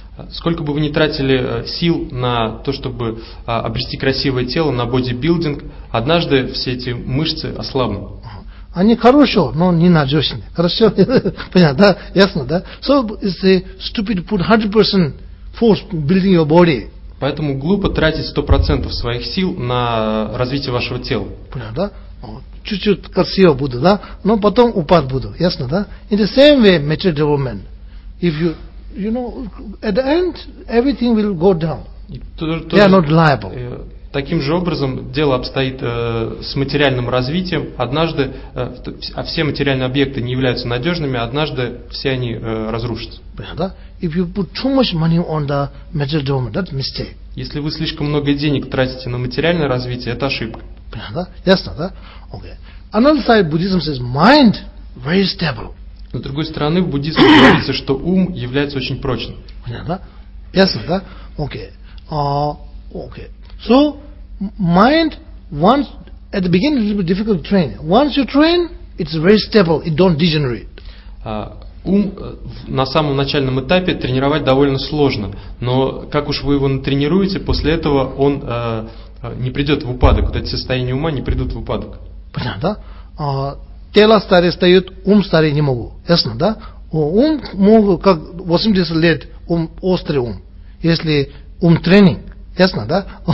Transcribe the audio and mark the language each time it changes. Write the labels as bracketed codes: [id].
[ru] Сколько бы вы ни тратили сил на то, чтобы обрести красивое тело, на бодибилдинг, однажды все эти мышцы ослабнут. Они хорошие, но не надежные. Хорошо? Понятно, да? Ясно, да? [en] So, it's a stupid put 100% force building your body. [ru] Поэтому глупо тратить 100% своих сил на развитие вашего тела. Понятно, да? Чуть-чуть красиво буду, да? Но потом упад буду. Ясно, да? [en] In the same way, material development. If you, you know, at the end, everything will go down. They are not liable. [ru] Таким же образом дело обстоит с материальным развитием. Однажды, а все материальные объекты не являются надежными, однажды все они разрушатся. Понятно, да? [en] If you put too much money on the material development, that's mistake. [ru] Если вы слишком много денег тратите на материальное развитие, это ошибка. Понятно, да? Ясно, да? Okay. [en] Another side, Buddhism says mind very stable. [ru] С другой стороны, в буддизме говорится, что ум является очень прочным. Понятно, да? Ясно, да? [en] Okay. Okay. So mind once at the beginning it's a bit difficult to train. Once you train, it's very stable. It don't degenerate. [ru] На самом начальном этапе тренировать довольно сложно, но как уж вы его натренируете, после этого он не придет в упадок, вот эти состояния ума не придут в упадок. Понятно, да? Тело старее стоит, ум старее не могу. Ясно, да? Ум мог, как 80 лет, ум острый ум, если ум тренинг. Ясно, да?